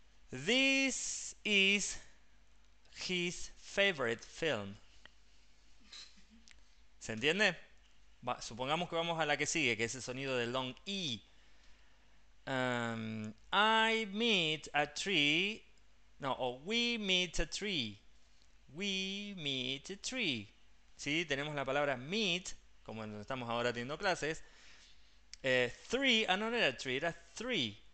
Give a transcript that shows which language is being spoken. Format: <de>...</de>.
<en>This is his favorite film.</en> <es>¿Se entiende? Va, supongamos que vamos a la que sigue, que es el sonido del long I.</es> <en>I meet a tree.</en> <es>No, o</es> <en>we meet a tree. We meet a tree.</en> <es>¿Sí? Tenemos la palabra meet, como donde estamos ahora teniendo clases. Three, ah, no era</es> <en>a tree,</en> <es>era three.</es>